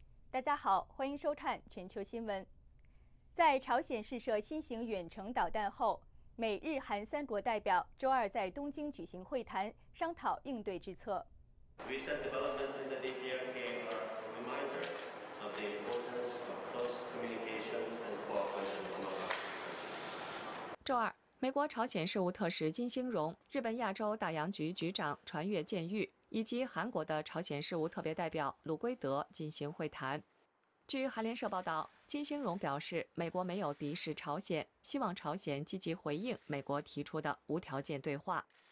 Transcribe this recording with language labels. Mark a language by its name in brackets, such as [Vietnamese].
[Chinese] 大家好，欢迎收看全球新闻。在朝鲜试射新型远程导弹后，美日韩三国代表周二在东京举行会谈，商讨应对之策。 [English] Recent developments in the DPRK are a reminder of the importance of close communication and cooperation among our countries. [Chinese] 周二，美国朝鲜事务特使金星荣、日本亚洲大洋局局长船越健裕以及韩国的朝鲜事务特别代表鲁圭德进行会谈。据韩联社报道，金星荣表示，美国没有敌视朝鲜，希望朝鲜积极回应美国提出的无条件对话。